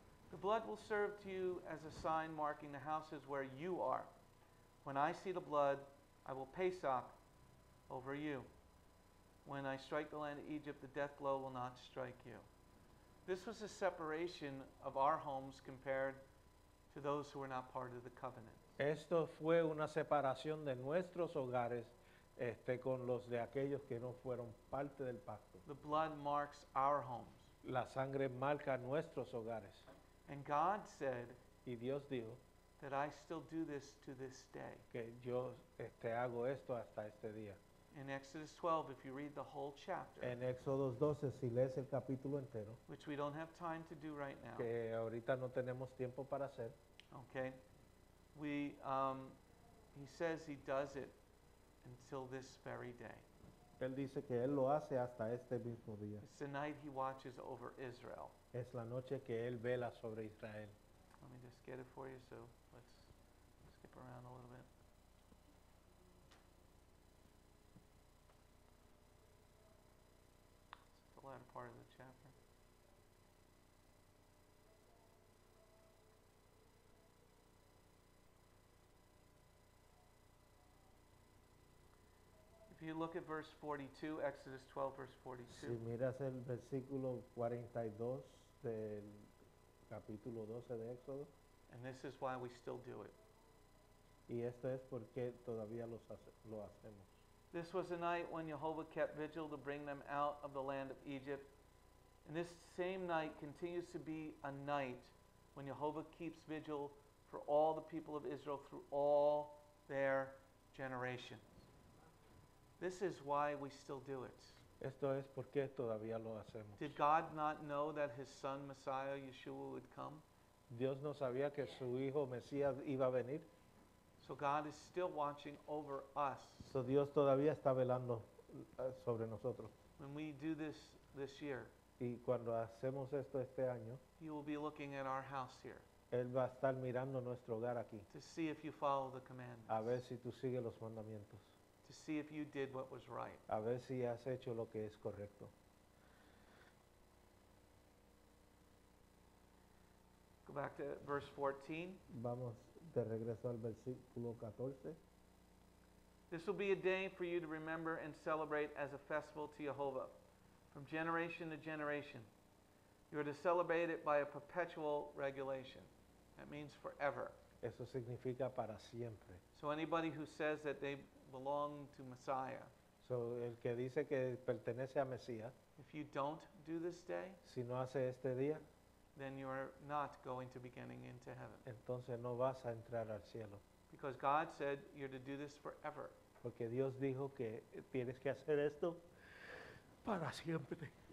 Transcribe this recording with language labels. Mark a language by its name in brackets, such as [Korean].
[English] The blood will serve to you as a sign marking the houses where you are. When I see the blood, I will Pesach over you. When I strike the land of Egypt, the death blow will not strike you. This was a separation of our homes compared to those who were not part of the covenant. [Spanish] Esto fue una separación de nuestros hogares con los de aquellos que no fueron parte del pacto. [English] The blood marks our homes. [Spanish] La sangre marca nuestros hogares. [English] And God said, [Spanish] y Dios dijo, [English] that I still do this to this day. [Spanish] Que yo hago esto hasta este día. [English] In Exodus 12, if you read the whole chapter, [Spanish] en Éxodo 12, si lees el capítulo entero, [English] which we don't have time to do right now, [Spanish] que ahorita no tenemos tiempo para hacer, [English] okay, he says he does it until this very day. [Spanish] Él dice que él lo hace hasta este mismo día. [English] It's the night he watches over Israel. [Spanish] Es la noche que él vela sobre Israel. [English] Let me just get it for you, so let's skip around a little bit. It's the latter part of the chapter. If you look at verse 42, Exodus 12, verse 42. [Spanish] Si miras el versículo 42 del capítulo 12 de Éxodo. [English] And this is why we still do it. [Spanish] Y esto es porque todavía lo hacemos. [English] This was a night when Yehovah kept vigil to bring them out of the land of Egypt. And this same night continues to be a night when Yehovah keeps vigil for all the people of Israel through all their generations. This is why we still do it. [Spanish] Esto es porque todavía lo hacemos. [English] Did God not know that his son Messiah Yeshua would come? [Spanish] Dios no sabía que su hijo Mesías iba a venir. [English] So God is still watching over us. [Spanish] So Dios todavía está velando sobre nosotros. [English] When we do this year, [Spanish] y cuando hacemos esto este año, [English] he will be looking at our house here. [Spanish] Él va a estar mirando nuestro hogar aquí. [English] To see if you follow the commandments. [Spanish] A ver si tú sigues los mandamientos. [English] To see if you did what was right. [Spanish] A ver si has hecho lo que es correcto. [English] Go back to verse 14. [Spanish] Vamos Te regreso al versículo 14. [English] This will be a day for you to remember and celebrate as a festival to Yehovah from generation to generation. You are to celebrate it by a perpetual regulation. That means forever. [Spanish] Eso significa para siempre. [English] So anybody who says that they belong to Messiah, [Spanish] so el que dice que pertenece a Mesías, [English] if you don't do this day, [Spanish] si no hace este día, [English] then you are not going to be getting into heaven. [Spanish] Entonces no vas a entrar al cielo. [English] Because God said you're to do this forever. [Spanish] Porque Dios dijo que tienes que hacer esto para siempre.